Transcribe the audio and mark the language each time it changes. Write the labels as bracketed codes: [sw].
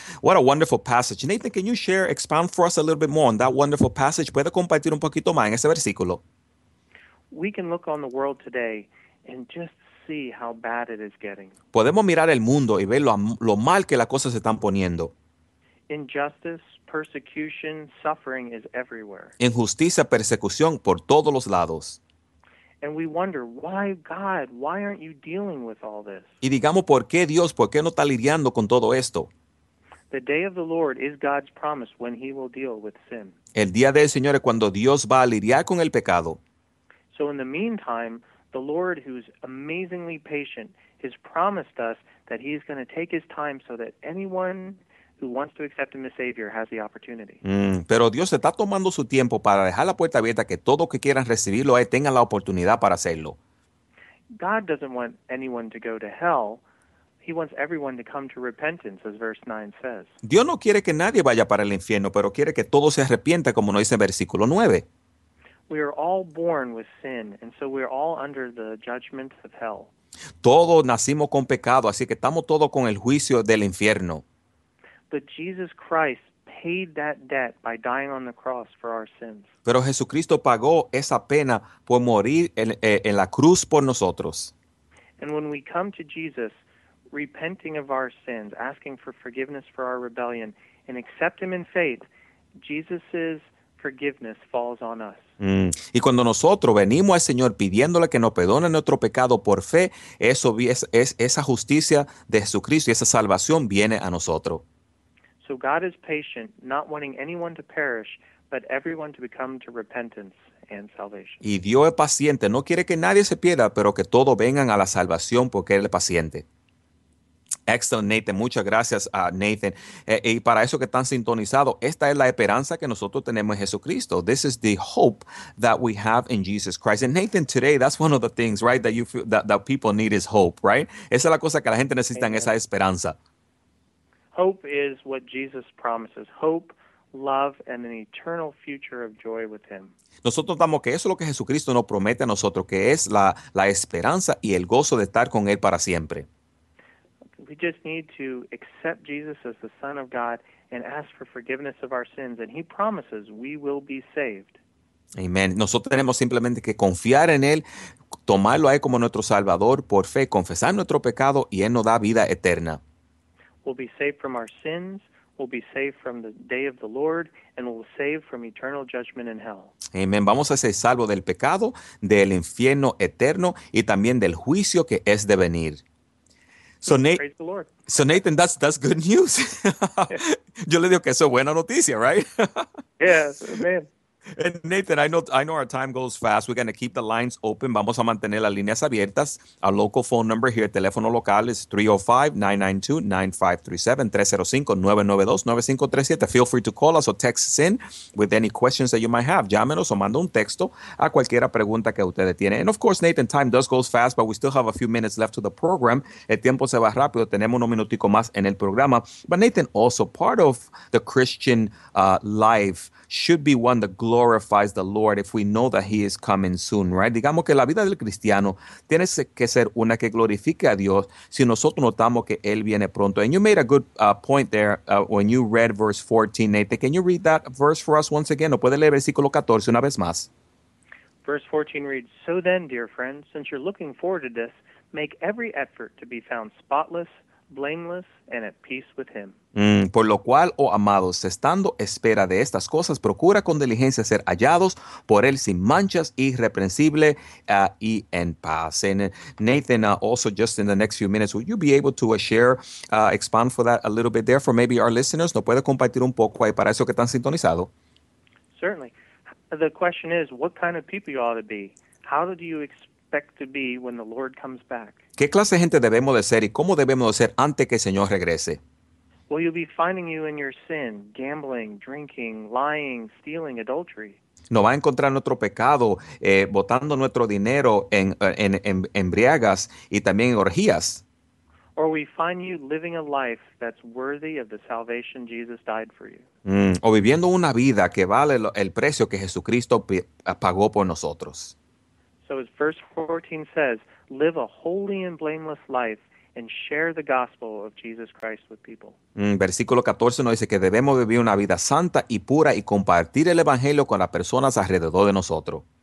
[en] What a wonderful passage. Nathan, can you share, expound for us a little bit more on that wonderful passage? [es] ¿Puede compartir un poquito más en ese versículo? [en] We can look on the world today and just see how bad it is getting. [es] Podemos mirar el mundo y ver lo mal que las cosas se están poniendo. [en] Injustice, persecution, suffering is everywhere. [es] Injusticia, persecución por todos los lados. [en] And we wonder, why God, why aren't you dealing with all this? [es] Y digamos, ¿por qué Dios, por qué no está lidiando con todo esto? [en] The day of the Lord is God's promise when he will deal with sin. [es] El día del Señor es cuando Dios va a lidiar con el pecado. [en] So in the meantime, the Lord, who's amazingly patient, has promised us that he's going to take his time so that anyone who wants to accept him as Savior has the opportunity. [es] Pero Dios está tomando su tiempo para dejar la puerta abierta que todos que quieran recibirlo ahí tengan la oportunidad para hacerlo. [en] God doesn't want anyone to go to hell. He wants everyone to come to repentance, as verse 9 says. [es] Dios no quiere que nadie vaya para el infierno, pero quiere que todos se arrepientan, como nos dice el versículo 9. [en] We are all born with sin, and so we are all under the judgment of hell. [es] Todos nacimos con pecado, así que estamos todos con el juicio del infierno. [en] But Jesus Christ paid that debt by dying on the cross for our sins. [es] Pero Jesucristo pagó esa pena por morir en la cruz por nosotros. [en] And when we come to Jesus, repenting of our sins, asking for forgiveness for our rebellion, and accept him in faith, Jesus's forgiveness falls on us. [es] Y cuando nosotros venimos al Señor pidiéndole que nos perdone nuestro pecado por fe, esa justicia de Jesucristo y esa salvación viene a nosotros. [en] So God is patient, not wanting anyone to perish, but everyone to become to repentance and salvation. [es] Y Dios es paciente, no quiere que nadie se pierda, pero que todos vengan a la salvación porque Él es paciente. [en] Excellent, Nathan. [es] Muchas gracias, Nathan. Y para eso que están sintonizados, esta es la esperanza que nosotros tenemos en Jesucristo. [en] This is the hope that we have in Jesus Christ. And Nathan, today, that's one of the things, right, that you feel that people need is hope, right? [es] Esa es la cosa que la gente necesita, esa esperanza. [en] Hope is what Jesus promises. Hope love and an eternal future of joy with him. [es] Nosotros damos que eso es lo que Jesucristo nos promete a nosotros, que es la esperanza y el gozo de estar con él para siempre. [en] We just need to accept Jesus as the Son of God and ask for forgiveness of our sins, and he promises we will be saved. Amen. [es] Nosotros tenemos simplemente que confiar en él, tomarlo a él como nuestro Salvador por fe, confesar nuestro pecado y él nos da vida eterna. [en] We'll be saved from our sins. We'll be saved from the day of the Lord, and we'll be saved from eternal judgment in hell. Amen. [es] Vamos a ser salvos del pecado, del infierno eterno, y también del juicio que es de venir. [en] So, praise the Lord. So Nathan, that's good news. [es] Yo le digo que eso es buena noticia, right? [en] Yes, amen. And Nathan, I know our time goes fast. We're going to keep the lines open. [es] Vamos a mantener las líneas abiertas. [en] Our local phone number here, [es] teléfono local, [en] is 305-992-9537, 305-992-9537. Feel free to call us or text us in with any questions that you might have. [es] Llámenos o manda un texto a cualquiera pregunta que ustedes tienen. [en] And of course, Nathan, time does go fast, but we still have a few minutes left to the program. [es] El tiempo se va rápido. Tenemos unos minuticos más en el programa. [en] But Nathan, also part of the Christian life should be one that glorifies the Lord if we know that he is coming soon, right? [es] Digamos que la vida del cristiano tiene que ser una que glorifique a Dios si nosotros notamos que él viene pronto. [en] And you made a good point there when you read verse 14, Nathan. Can you read that verse for us once again? [es] ¿O puede leer versículo 14 una vez más? [en] Verse 14 reads, "So then, dear friends, since you're looking forward to this, make every effort to be found spotless, blameless, and at peace with him." [es] Por lo cual, oh amados, estando espera de estas cosas, procura con diligencia ser hallados por él sin manchas, irreprensible y en paz. [en] And Nathan, also just in the next few minutes, would you be able to expand for that a little bit there for maybe our listeners? [es] ¿No puede compartir un poco ahí para eso que están sintonizados? [en] Certainly. The question is, what kind of people you ought to be? How do you expect to be when the Lord comes back? [es] ¿Qué clase de gente debemos de ser y cómo debemos de ser antes que el Señor regrese? [en] Well, you'll be finding you in your sin, gambling, drinking, lying, stealing, adultery. [es] Nos va a encontrar nuestro pecado, botando nuestro dinero en embriagas y también orgías. [en] Or we find you living a life that's worthy of the salvation Jesus died for you. [es] O viviendo una vida que vale el precio que Jesucristo pagó por nosotros. [en] So as verse 14 says, live a holy and blameless life and share the gospel of Jesus Christ with people. [es] Versículo 14 nos dice que debemos vivir una vida santa y pura y compartir el evangelio con las personas alrededor de nosotros.